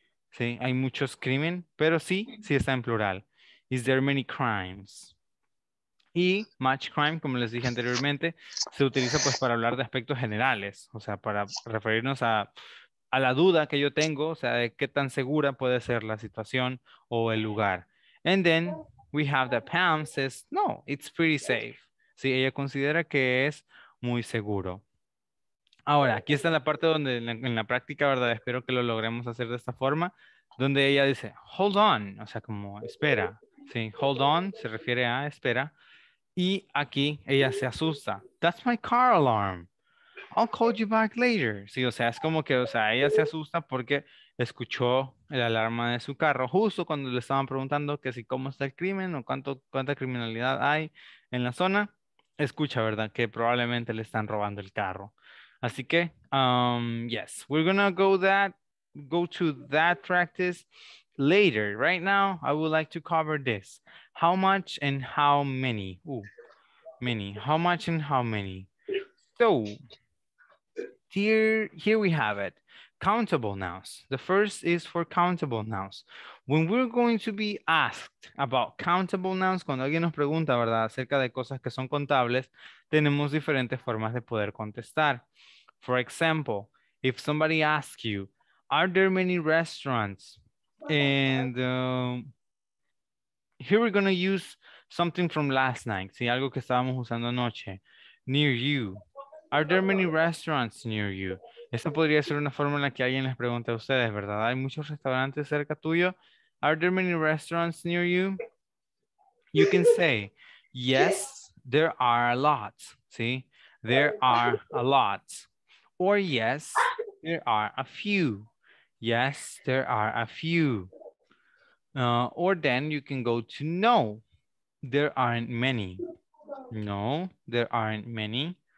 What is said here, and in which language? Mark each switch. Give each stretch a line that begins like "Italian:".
Spanish: Sí, hay muchos crimen, pero sí, sí está en plural.
English: Is there many crimes?
Spanish: Y much crime, como les dije anteriormente, se utiliza pues para hablar de aspectos generales. O sea, para referirnos a la duda que yo tengo, o sea, de qué tan segura puede ser la situación o el lugar.
English: And then we have that Pam says, no, it's pretty safe.
Spanish: Sí, ella considera que es muy seguro. Ahora, aquí está la parte donde en la práctica, ¿verdad? Espero que lo logremos hacer de esta forma, donde ella dice, hold on, o sea, como espera. Sí, hold on se refiere a espera. Y aquí ella se asusta.
English: That's my car alarm. I'll call you back later.
Spanish: Sí, o sea, es como que, o sea, ella se asusta porque escuchó la alarma de su carro justo cuando le estaban preguntando que si cómo está el crimen o cuánta criminalidad hay en la zona. Escucha, ¿verdad?, que probablemente le están robando el carro. Así que,
English: yes, we're gonna go to that practice later. Right now, I would like to cover this. How much and how many? Ooh, many. How much and how many? So, here we have it. Countable nouns. The first is for countable nouns. When we're going to be asked about countable nouns,
Spanish: cuando alguien nos pregunta, ¿verdad?, acerca de cosas que son contables, tenemos diferentes formas de poder contestar.
English: For example, if somebody asks you, are there many restaurants? And here we're going to use something from last night.
Spanish: Sí, algo que estábamos usando anoche.
English: Near you. Are there many restaurants near you?
Spanish: Esa podría ser una forma en la que alguien les pregunte a ustedes, ¿verdad? ¿Hay muchos restaurantes cerca tuyo?
English: Are there many restaurants near you? You can say, yes, there are a lot. Sí, there are a lot. Or yes, there are a few. Yes, there are a few. Or then you can go to no, there aren't many. No, there aren't many.